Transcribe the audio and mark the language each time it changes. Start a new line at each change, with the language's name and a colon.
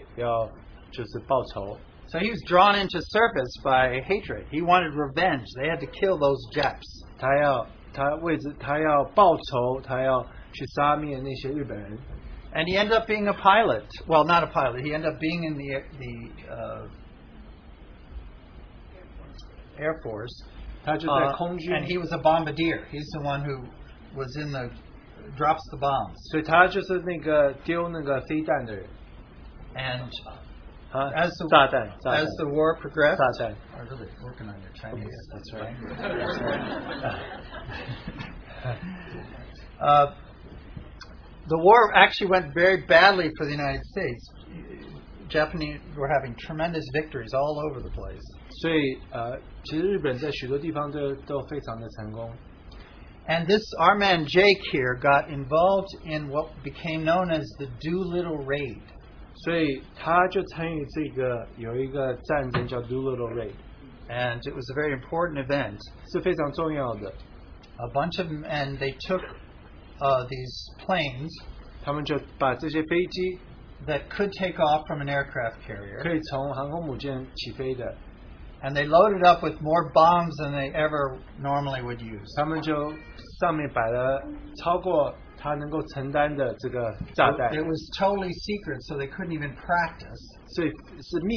Chinese: 所以当珍珠港发生之后呢，他就去参与这个军队，要就是报仇。
English: So he was drawn into service by hatred. He wanted revenge. They had to kill those Japs.
Chinese: 他要报仇，他要去杀灭那些日本人。
English: And he ended up being a pilot. Well, not a pilot. He ended up being in the Air Force.
Chinese: 他就在空军。
English: And he was a bombardier. He's the one who was in the drops the bombs.
Chinese: 所以他就是那个丢那个飞弹的人。
English: And As the war progressed,
Chinese: 炸弹.
English: Are really working on your Chinese. Okay, that's right. The war actually went very badly for the United States. Japanese were having tremendous victories all over the place.
Chinese: 所以其实日本在许多地方都非常的成功。
English: And this, our man Jake here, got involved in what became known as the Doolittle Raid.
Chinese: 所以他就参与这个有一个战争叫 Doolittle Raid,
English: and it was a very important event.
Chinese: 是非常重要的.
English: A bunch of them, and they took these planes.
Chinese: 他们就把这些飞机
English: that could take off from an aircraft carrier.
Chinese: 可以从航空母舰起飞的.
English: And they loaded up with more bombs than they ever normally would use.
Chinese: 他们就上面摆了超过
English: It was totally secret, so they couldn't even practice.